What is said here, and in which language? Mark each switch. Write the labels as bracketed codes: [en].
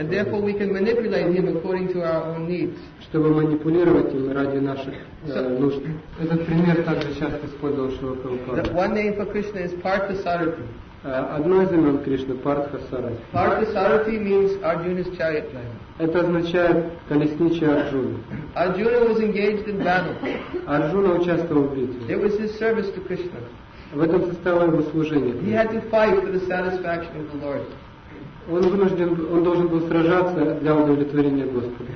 [en] And therefore we can manipulate him according to our own needs. [ru] Чтобы манипулировать им ради наших нужд. Этот пример также часто использовал Шрила Прабхупада. [en] One name for Krishna is Partha Sarathi. [ru] Одно из имен Кришны Партха Сарати. [en] Partha Sarathi means Arjuna's chariot driver. [ru] Это означает колесничий Арджуны. [en] Arjuna was engaged in battle. [ru] Арджуна участвовал в битве. [en] It was his service to Krishna. [ru] В этом состояло его служение. [en] He had to fight for the satisfaction of the Lord. [ru] Он должен был сражаться для удовлетворения Господа.